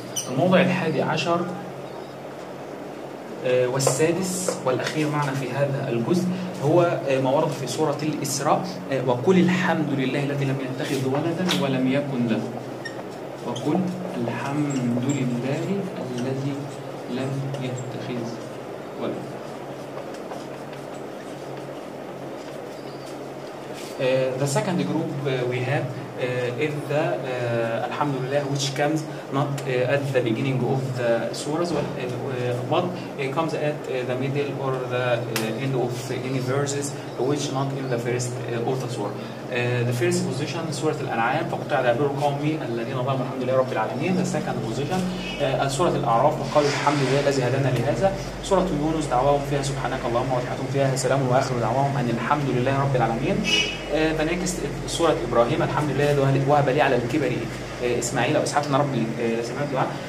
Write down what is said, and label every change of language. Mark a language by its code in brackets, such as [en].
[ar] الموضع الحادي عشر والسادس والأخير معنا في هذا الجزء هو ما ورد في سورة الإسراء، وقل الحمد لله الذي لم يتخذ ولدا ولم يكن له. وقل الحمد لله الذي لم يتخذ ولدا. [en] The second group we have is the Alhamdulillah which comes not at the beginning of the surahs but it comes at the middle or the end of any verses which not in the first of the surah. The first position [ar] surah al-An'am فقطع دابر القوم الذين ظلموا الحمد لله رب العالمين. [en] The second position [ar] surah al-A'raf وقالوا الحمد لله الذي هدانا لهذا. surah yunus دعواهم فيها سبحانك اللهم وتحياتهم فيها سلام، واخر دعواهم ان الحمد لله رب العالمين. فنكست سورة إبراهيم الحمد لله وهب لي على الكبر إسماعيل وإسحاق إن ربي لسميع الدعاء.